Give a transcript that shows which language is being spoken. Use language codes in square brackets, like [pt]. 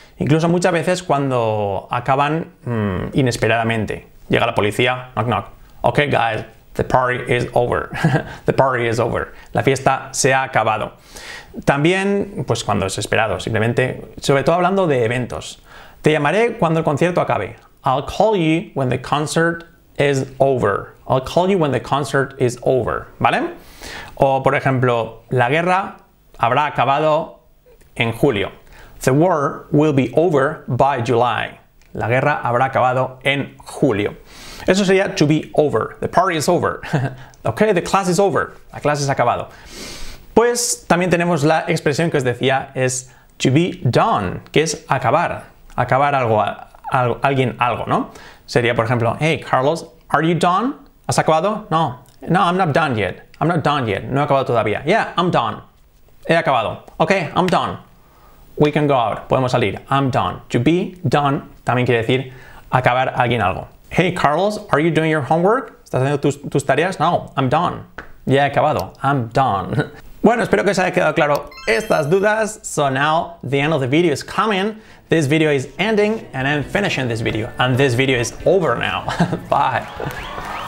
[es] Incluso muchas veces cuando acaban inesperadamente. Llega la policía, [en] knock knock. Ok, guys, the party is over. The party is over. [es] La fiesta se ha acabado. También, pues cuando es esperado, simplemente, sobre todo hablando de eventos. Te llamaré cuando el concierto acabe. [en] I'll call you when the concert is over. I'll call you when the concert is over, [es] ¿vale? O, por ejemplo, la guerra habrá acabado en julio. [en] The war will be over by July. [es] La guerra habrá acabado en julio. Eso sería [en] to be over. The party is over. Ok, the class is over. [es] La clase se ha acabado. Pues también tenemos la expresión que os decía, es to be done, que es acabar. Acabar algo, alguien algo, ¿no? Sería, por ejemplo, [en] hey, Carlos, are you done? [es] ¿Has acabado? No. [en] No, I'm not done yet. I'm not done yet. [es] No he acabado todavía. [en] Yeah, I'm done. [es] He acabado. [en] Ok, I'm done. We can go out. [es] Podemos salir. [en] I'm done. [es] To be done también quiere decir acabar alguien algo. [en] Hey, Carlos, are you doing your homework? [es] ¿Estás haciendo tus tareas? [en] No, I'm done. [es] Ya he acabado. [en] I'm done. [es] Bueno, espero que os haya quedado claro estas dudas. [en] So now, the end of the video is coming. This video is ending and I'm finishing this video. And this video is over now. Bye.